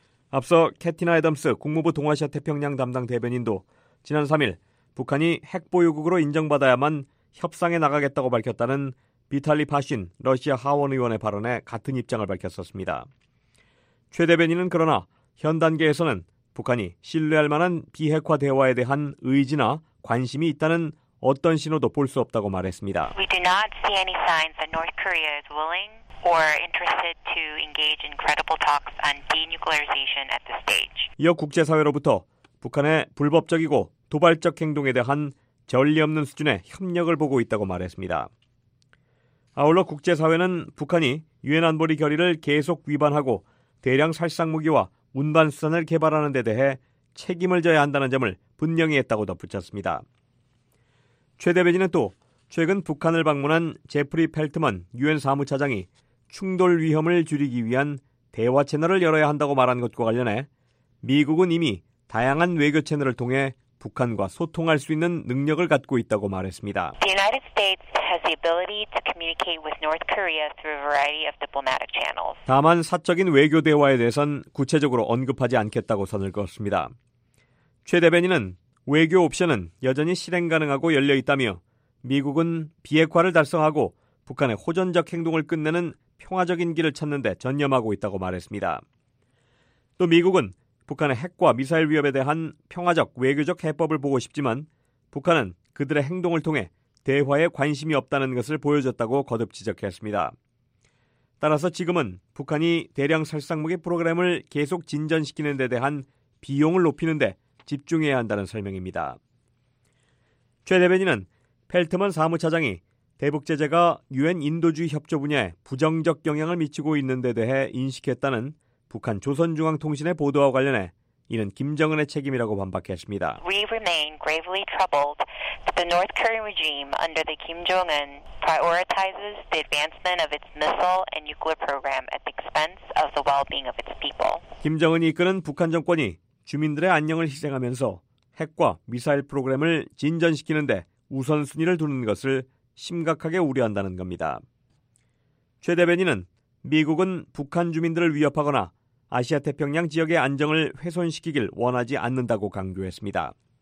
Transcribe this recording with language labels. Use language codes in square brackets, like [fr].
[ko] 앞서 캐티나 애덤스 국무부 동아시아 태평양 담당 대변인도 지난 3일 북한이 핵 보유국으로 인정받아야만 협상에 나가겠다고 밝혔다는 비탈리 파신 러시아 하원 의원의 발언에 같은 입장을 밝혔었습니다. 최 대변인은 그러나 현 단계에서는 북한이 신뢰할 만한 비핵화 대화에 대한 의지나 관심이 있다는 어떤 신호도 볼 수 없다고 말했습니다. [en] We do not see any signs that North Korea is willing or interested to engage in credible talks on denuclearization at this stage. [ko] 이어 국제사회로부터 북한의 불법적이고 도발적 행동에 대한 전례 없는 수준의 협력을 보고 있다고 말했습니다. 아울러 국제사회는 북한이 유엔 안보리 결의를 계속 위반하고 대량 살상무기와 운반수단을 개발하는 데 대해 책임을 져야 한다는 점을 분명히 했다고 덧붙였습니다. 최 대변인은 또 최근 북한을 방문한 제프리 펠트먼 유엔 사무차장이 충돌 위험을 줄이기 위한 대화 채널을 열어야 한다고 말한 것과 관련해 미국은 이미 다양한 외교 채널을 통해 북한과 소통할 수 있는 능력을 갖고 있다고 말했습니다. [en] The United States has the ability to communicate with North Korea through a variety of diplomatic channels. [ko] 다만 사적인 외교 대화에 대해선 구체적으로 언급하지 않겠다고 선을 그었습니다. 최 대변인은 외교 옵션은 여전히 실행 가능하고 열려 있다며 미국은 비핵화를 달성하고 북한의 호전적 행동을 끝내는 평화적인 길을 찾는 데 전념하고 있다고 말했습니다. 또 미국은 북한의 핵과 미사일 위협에 대한 평화적 외교적 해법을 보고 싶지만 북한은 그들의 행동을 통해 대화에 관심이 없다는 것을 보여줬다고 거듭 지적했습니다. 따라서 지금은 북한이 대량 살상무기 프로그램을 계속 진전시키는 데 대한 비용을 높이는 데 집중해야 한다는 설명입니다. 최 대변인은 펠트먼 사무차장이 대북 제재가 유엔 인도주의 협조 분야에 부정적 영향을 미치고 있는 데 대해 인식했다는 북한 조선중앙통신의 보도와 관련해 이는 김정은의 책임이라고 반박했습니다. [en] We remain gravely troubled that the North Korean regime under the Kim Jong-un prioritizes the advancement of its missile and nuclear program at the expense of the well-being of its people. [ko] 김정은이 이끄는 북한 정권이 주민들의 안녕을 희생하면서 핵과 미사일 프로그램을 진전시키는 데 우선순위를 두는 것을 심각하게 우려한다는 겁니다. 최 대변인은 미국은 북한 주민들을 위협하거나 아시아태평양 지역의 안정을 훼손시키길 원하지 않는다고 강조했습니다.